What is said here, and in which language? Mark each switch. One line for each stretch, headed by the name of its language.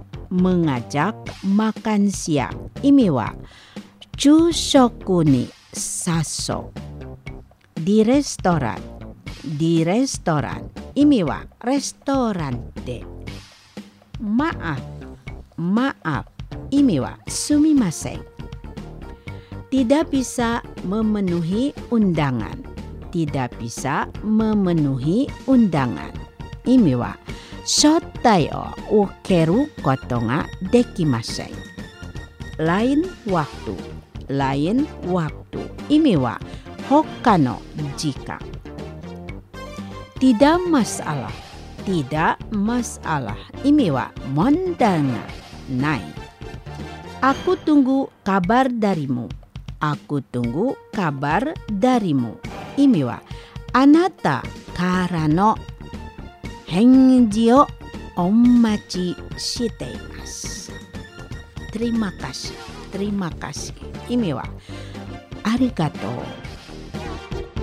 Indonesian: Mengajak makan siang?
Japanese: 意味は昼食に誘う。
Indonesian: Di restoran? Di restoran?
Japanese: 意味はレストランで。
Indonesian: Maaf? Maaf,
Japanese: 意味はすみません。
Indonesian: Tidak bisa memenuhi undangan. Tidak bisa memenuhi undangan.
Japanese: 意味は招待を受けることができません。
Indonesian: Lain waktu. Lain waktu.
Japanese: 意味は他の時間。
Indonesian: Tidak masalah. Tidak masalah.
Japanese: 意味は問題がない。
Indonesian: Aku tunggu kabar darimu. Aku tunggu kabar darimu.
Japanese: 意味はあなたからの返事をお待ちしています。
Indonesian: Terima kasih. Terima kasih.
Japanese: 意味はありがとう。